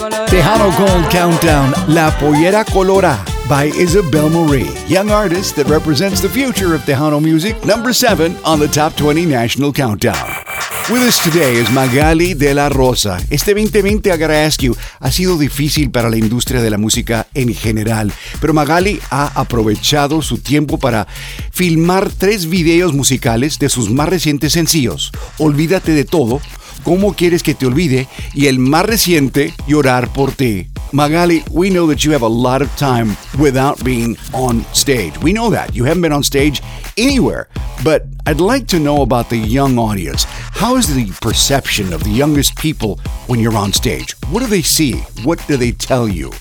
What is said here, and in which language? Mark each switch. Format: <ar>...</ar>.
<en>Tejano Gold Countdown, La Pollera Colora by Isabel Marie, young artist that represents the future of Tejano music, number 7 on the Top 20 National Countdown. With us today is Magaly de la Rosa.</en> <es>Este 2020,</es> <en>I gotta ask you,</en> <es>ha sido difícil para la industria de la música en general, pero Magaly ha aprovechado su tiempo para filmar 3 videos musicales de sus más recientes sencillos, Olvídate de Todo, ¿Cómo quieres que te olvide? Y el más reciente, Llorar por ti.</es> <en>Magaly, we know that you have a lot of time without being on stage. We know that. You haven't been on stage anywhere. But I'd like to know about the young audience. How is the perception of the youngest people when you're on stage? What do they see? What do they tell you?</en>